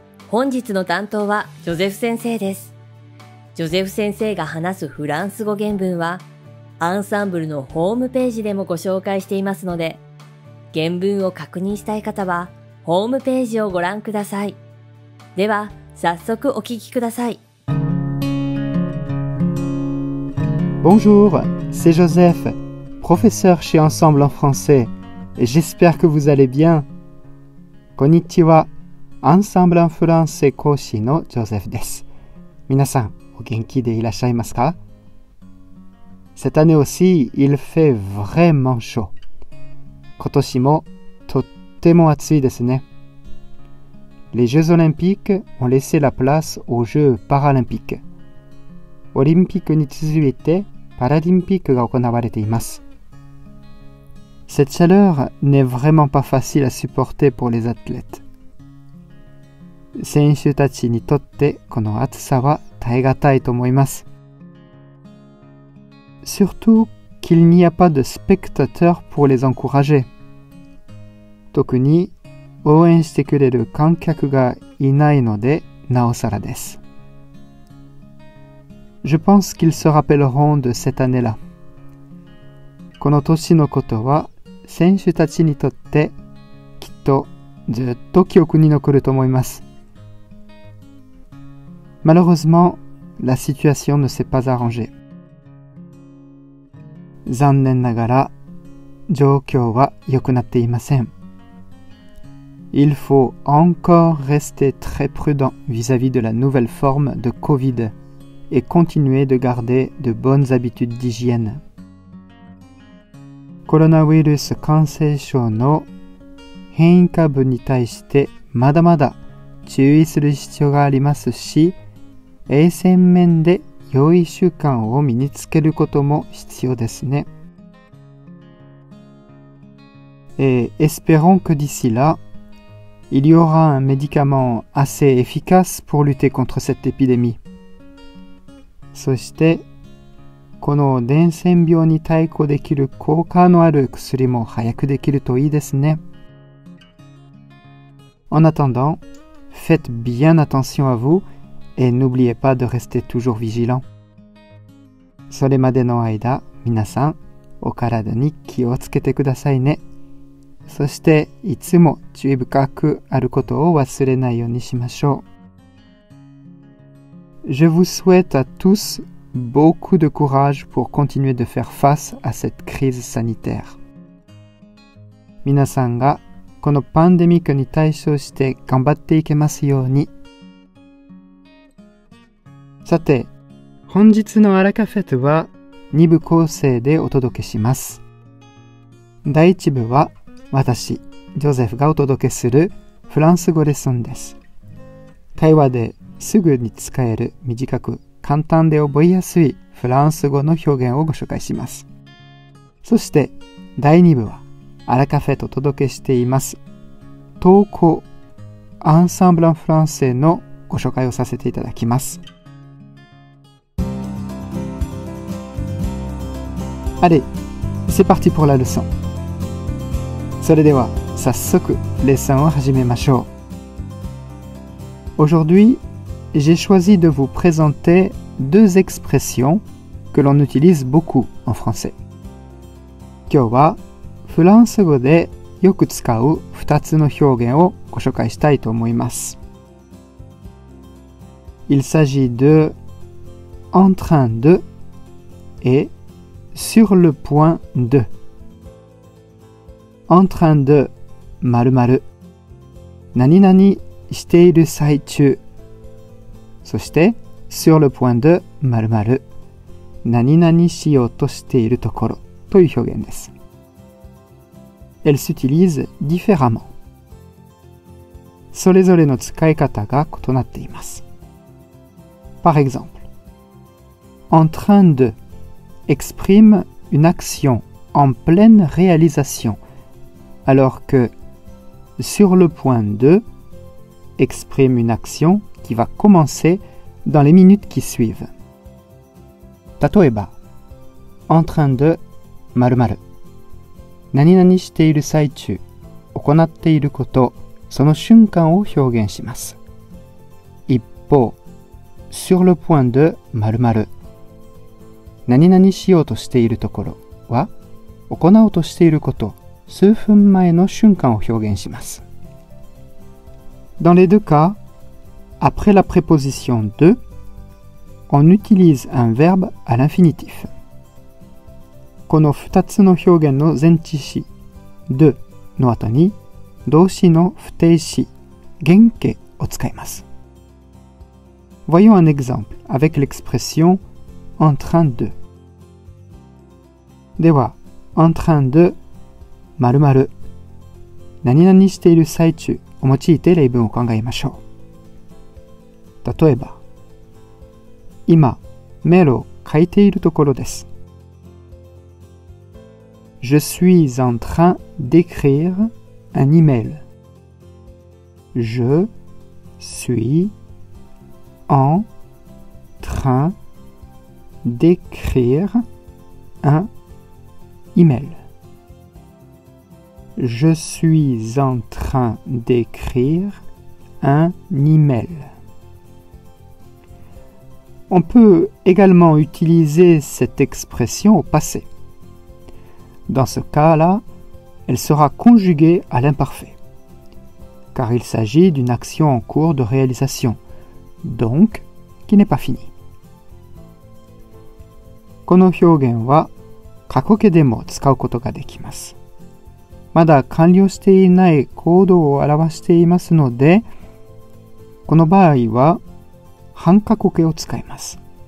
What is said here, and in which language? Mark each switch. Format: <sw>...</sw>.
<ja>本日の担当はジョゼフ先生です。ジョゼフ先生が話すフランス語原文はアンサンブルのホームページでもご紹介していますので、原文を確認したい方はホームページをご覧ください。では早速お聞きください。</ja> <fr>Bonjour, c'est Joseph, professeur chez Ensemble en français, et j'espère que vous allez bien.</fr> <ja>Konnichiwa, Ensemble en français 講師のジョゼフです。皆さん、お元気でいらっしゃいますか?</ja> <fr>Cette année aussi, il fait vraiment chaud.</fr> <ja>今年もとっても暑いですね。</ja> <fr>Les Jeux Olympiques ont laissé la place aux Jeux Paralympiques.</fr> <ja>オリンピックに続いてパラリンピックが行われています。</ja> <fr>Cette chaleur n'est vraiment pas facile à supporter pour les athlètes.</fr> <ja>選手たちにとってこの暑さは耐え難いと思います。</ja> <fr>Surtout qu'il n'y a pas de spectateurs pour les encourager.</fr> <ja>特に応援してくれる観客がいないのでなおさらです。</ja> <fr>Je pense qu'ils se rappelleront de cette année-là.</fr> <ja>この年のことは選手たちにとってきっとずっと記憶に残ると思います。</ja> <fr>Malheureusement, la situation ne s'est pas arrangée.</fr> <ja>残念ながら状況は良くなっていません。</ja> <fr>Il faut encore rester très prudent vis-à-vis de la nouvelle forme de COVID. Et continuer de garder de bonnes habitudes d'hygiène.</fr> <ja>コロナウイルス感染症の変異株に対してまだまだ注意する必要がありますし、衛生面で良い習慣を身につけることも必要ですね。</ja> <fr>Et espérons que d'ici là, il y aura un médicament assez efficace pour lutter contre cette épidémie.</fr> <ja>そしてこの伝染病に対抗できる効果のある薬も早くできるといいですね。</ja> <fr>En attendant, faites bien attention à vous et n'oubliez pas de rester toujours vigilant.</fr> <ja>それまでの間、皆さん、お体に気をつけてくださいね。そしていつも注意深くあることを忘れないようにしましょう。</ja> <fr>Je vous souhaite à tous beaucoup de courage pour continuer de faire face à cette crise sanitaire.</fr> <ja>皆さんがこのパンデミックに対処して頑張っていけますように。さて、本日のアラカフェットは2部構成でお届けします。第1部は私、ジョゼフがお届けするフランス語レッスンです。会話ですぐに使える短く簡単で覚えやすいフランス語の表現をご紹介します。そして第2部はアラカフェと届けしています投稿アンサンブルフランセのご紹介をさせていただきます。</ja> <fr>Allez, c'est parti pour la leçon.</fr> <ja>それでは早速レッスンを始めましょう。</ja> <fr>Aujourd'huiJ'ai choisi de vous présenter deux expressions que l'on utilise beaucoup en français.</fr> <ja>今日はフランス語でよく使う2つの表現をご紹介したいと思います。</ja> <fr>Il s'agit de en train de et sur le point de. En train de</fr> <ja>〇〇何々している最中。そして、 sur le point de 〇〇。何々しようとしているところという表現です。</ja> <fr>Elle s'utilise différemment.</fr> <ja>それぞれの使い方が異なっています。</ja> <fr>Par exemple, en train de exprime une action en pleine réalisation, alors que sur le point de exprime une action qui va commencer dans les minutes qui suivent.</fr> <ja>例えば、 en train de ○○何々している最中、行っていること、その瞬間を表現します。一方、</ja> <fr>sur le point de ○○</fr> <ja>何々しようとしているところは、行おうとしていること、数分前の瞬間を表現します。</ja> <fr>Dans les deux cas, après la préposition de, on utilise un verbe à l'infinitif.</fr> <ja>この2つの表現の前置詞de の後に動詞の不定詞原形を使います。</ja> <fr>Voyons un exemple avec l'expression en train de.</fr> <ja>では、 en train de 〇〇何々している最中を用いて例文を考えましょう。例えば、今、メロを書いているところです。</ja> <fr>Je suis en train d'écrire un email. Je suis en train d'écrire un email. Je suis en train d'écrire un email. On peut également utiliser cette expression au passé. Dans ce cas-là, elle sera conjuguée à l'imparfait, car il s'agit d'une action en cours de réalisation, donc qui n'est pas finie.</fr> <ja>この表現は過去形でも使うことができます。まだ完了していない行動を表していますので、この場合は半過去形を使います。</ja>